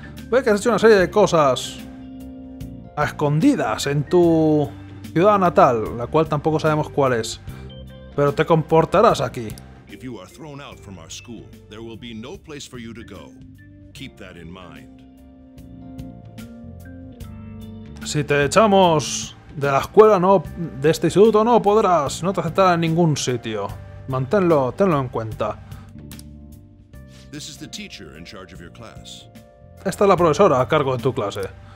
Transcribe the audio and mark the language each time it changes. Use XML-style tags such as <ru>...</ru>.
<es>Puede que has hecho una serie de cosas... a escondidas en tu... ciudad natal, la cual tampoco sabemos cuál es. Pero te comportarás aquí. Si te has</es> <en>thrown out from our school, there will be no place for you to go. Keep that in mind.</en> <es>Si te echamos de la escuela, no, de este instituto, no podrás, no te aceptarán en ningún sitio. Manténlo, tenlo en cuenta.</es> <en>This is the teacher in charge of your class.</en> <es>Esta es la profesora a cargo de tu clase.</es>